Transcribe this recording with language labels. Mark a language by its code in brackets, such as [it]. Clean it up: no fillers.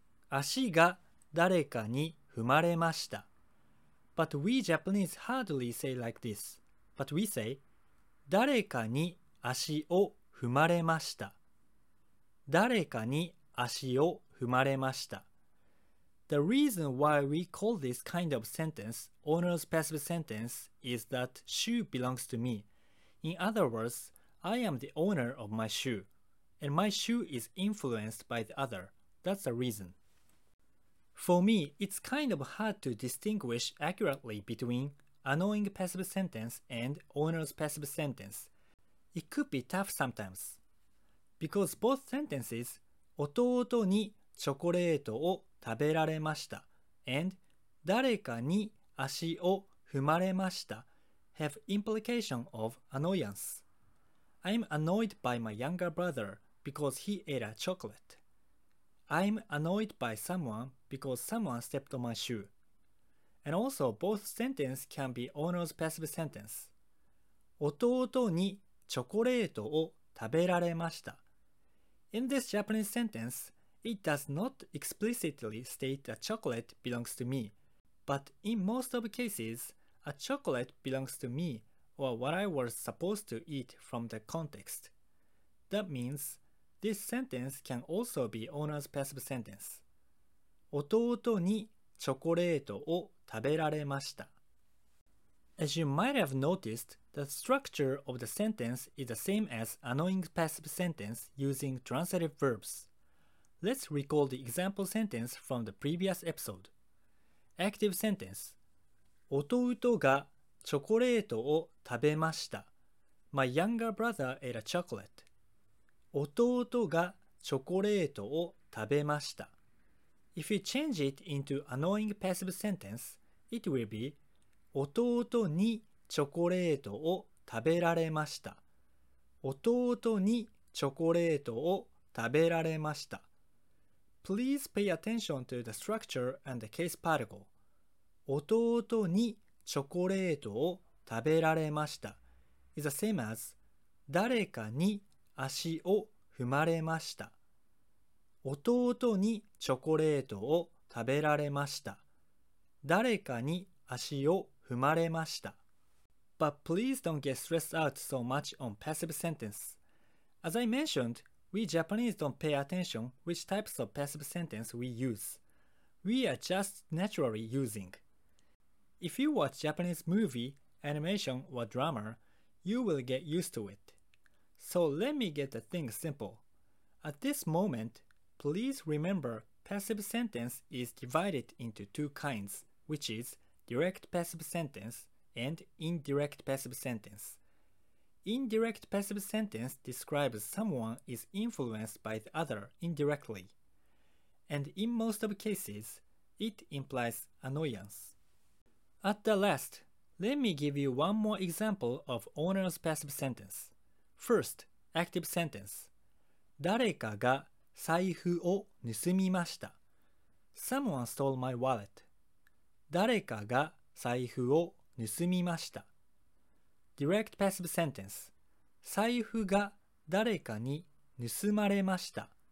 [ja] 足が誰かに踏まれました。 [en] But we Japanese hardly say like this. But we say [ja] 誰かに足を踏まれました。誰かに足を踏まれました。 [en] The reason why we call this kind of sentence owner's passive sentence is that shoe belongs to me. In other words, I am the owner of my shoe, and my shoe is influenced by the other. That's the reason. For me, it's kind of hard to distinguish accurately between annoying passive sentence and owner's passive sentence. It could be tough sometimes. Because both sentences, [ja] 弟にチョコレートを食べられました [en] and [ja] 誰かに足を踏まれました [en] have implication of annoyance. I'm annoyed by my younger brother because he ate a chocolate. I'm annoyed by someone because someone stepped on my shoe. And also, both sentences can be owner's passive sentence. [ja] 弟にチョコレートを食べられました。 [en] In this Japanese sentence, it does not explicitly state that chocolate belongs to me. But in most of cases, a chocolate belongs to me or what I was supposed to eat from the context. That means, this sentence can also be owner's passive sentence. [ja] 弟にチョコレートを食べられました。 [en] As you might have noticed, the structure of the sentence is the same as annoying passive sentence using transitive verbs. Let's recall the example sentence from the previous episode. Active sentence. [ja] 弟がチョコレートを食べました。 [en] My younger brother ate a chocolate. [ja] 弟がチョコレートを食べました。 [en] If you change it into annoying passive sentence,It will be [ja] 弟にチョコレートを食べられました。弟にチョコレートを食べられました。 [en] Please pay attention to the structure and the case particle. [ja] 弟にチョコレートを食べられました。 [en] is the same as [ja] 誰かに足を踏まれました。弟にチョコレートを食べられました。誰かに足を踏まれました。 [en] But please don't get stressed out so much on passive sentence. As I mentioned, we Japanese don't pay attention which types of passive sentence we use. We are just naturally using. If you watch Japanese movie, animation, or drama, you will get used to it. So let me get the thing simple. At this moment, please remember passive sentence is divided into two kinds. Which is direct passive sentence and indirect passive sentence. Indirect passive sentence describes someone is influenced by the other indirectly. And in most of cases, it implies annoyance. At the last, let me give you one more example of owner's passive sentence. First, active sentence. [ja] 誰かが財布を盗みました。 [en] Someone stole my wallet. [ja] 誰かが財布を盗みました。 [en] Direct passive sentence. [ja] 財布が誰かに盗まれました。